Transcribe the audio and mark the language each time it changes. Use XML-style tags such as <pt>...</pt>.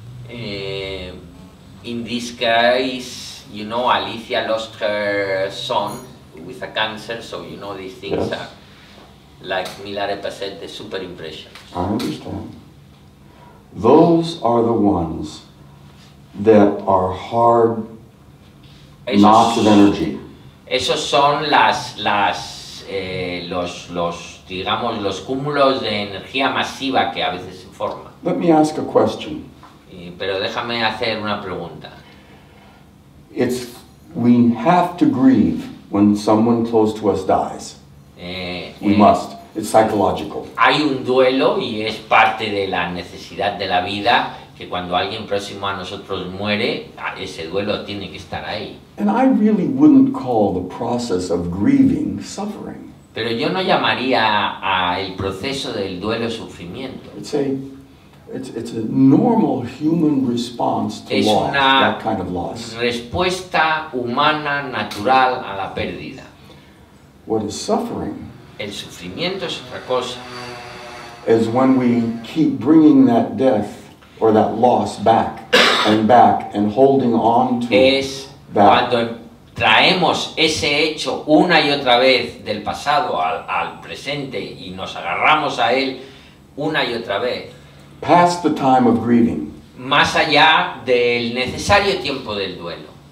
<en>In this case, you know, Alicia lost her son with a cancer, so you know these things yes are like milare pasete, super impressions. I understand. Those are the ones that are hard knots of energy.</en> <es>Esos son los digamos los cúmulos de energía masiva que a veces se forma.</es> <en>Let me ask a question.</en> <es>Pero déjame hacer una pregunta.</es> <en>It's we have to grieve when someone close to us dies. We must. It's psychological.</en> <es>Hay un duelo y es parte de la necesidad de la vida que cuando alguien próximo a nosotros muere, ese duelo tiene que estar ahí.</es> <en>And I really wouldn't call the process of grieving suffering.</en> <es>Pero yo no llamaría a el proceso del duelo sufrimiento.</es> <en>It's a It's a normal human response to loss, that kind of loss.</en> <es>Respuesta humana natural a la pérdida.</es> <en>What is suffering?</en> <es>El sufrimiento es otra cosa.</es> <en>Is when we keep bringing that death or that loss back and back and holding on to</en> <es>es</es> <en>that.</en> <es>Cuando traemos ese hecho una y otra vez del pasado al presente y nos agarramos a él una y otra vez.</es> <en>Past the time of grieving.</en> <es>Más allá del necesario tiempo del duelo.</es>